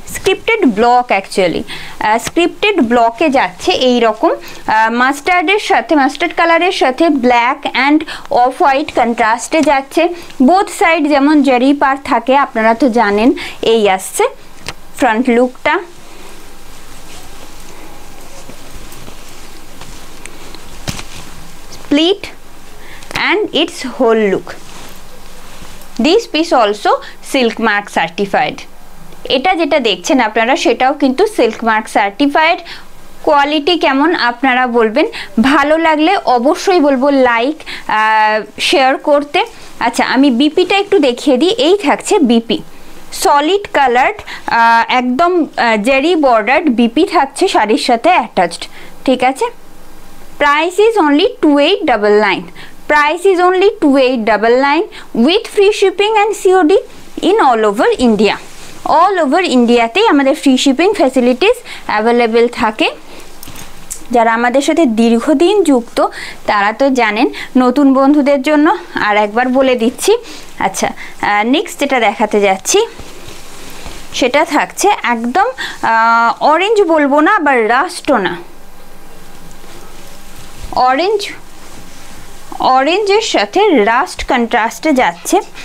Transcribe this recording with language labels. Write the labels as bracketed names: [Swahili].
[Bangla] Scripted block, actually scripted ব্লকে যাচ্ছে এই রকম মাস্টার্ডের সাথে, মাস্টার্ড কালারের সাথে ব্ল্যাক অ্যান্ড অফ হোয়াইট কন্ট্রাস্টে যাচ্ছে। বোথ সাইড যেমন জারি পার থাকে আপনারা তো জানেন, এই আসছে ফ্রন্ট লুকটা। [English] Split and its whole look. This piece also silk mark certified. [Bangla] এটা যেটা দেখছেন আপনারা সেটাও কিন্তু silk mark certified. কোয়ালিটি কেমন আপনারা বলবেন, ভালো লাগলে অবশ্যই বলবো লাইক শেয়ার করতে। আচ্ছা আমি বিপিটা একটু দেখিয়ে দিই। এই থাকছে বিপি, সলিড কালার্ড, একদম জেরি বর্ডার্ড বিপি থাকছে শাড়ির সাথে অ্যাটাচড, ঠিক আছে? [English] Price is only 2899. Price is only 2899 with free shipping and COD in all over India. All over India [Bangla] তে আমাদের ফ্রি শিপিং ফ্যাসিলিটিস অ্যাভেলেবেল থাকে। যারা আমাদের সাথে দীর্ঘদিন যুক্ত তারা তো জানেন, নতুন বন্ধুদের জন্য আর একবার বলে দিচ্ছি। আচ্ছা নেক্সট যেটা দেখাতে যাচ্ছি সেটা থাকছে একদম অরেঞ্জ বলবো না, আবার রাস্টও না, অরেঞ্জ, অরেঞ্জের সাথে রাস্ট কন্ট্রাস্টে যাচ্ছে।